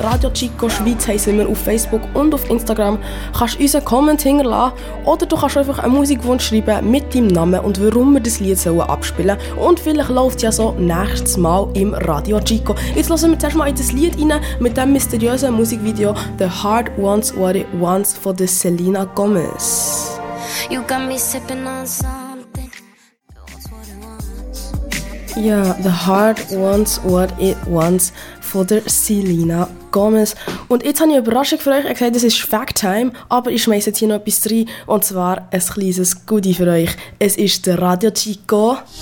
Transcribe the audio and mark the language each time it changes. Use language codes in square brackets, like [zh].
[de] Radio Chico Schweiz heissen wir auf Facebook und auf Instagram. Du kannst uns einen Comment hinterlassen oder du kannst einfach einen Musikwunsch schreiben mit deinem Namen und warum wir das Lied abspielen sollen. Und vielleicht läuft es ja so nächstes Mal im Radio Chico. Jetzt lassen wir zuerst mal in das Lied rein mit dem mysteriösen Musikvideo «The Heart Wants What It Wants» von der Selena Gomez. [en] You got me sipping on something. That's what it wants. Yeah, the heart wants what it wants. [de] Von der Selena Gomez. Und jetzt habe ich eine Überraschung für euch. Ich habe gesagt, das ist Fact-Time, aber ich schmeiße jetzt hier noch etwas rein. Und zwar ein kleines Goodie für euch. Es ist der Radio Chico.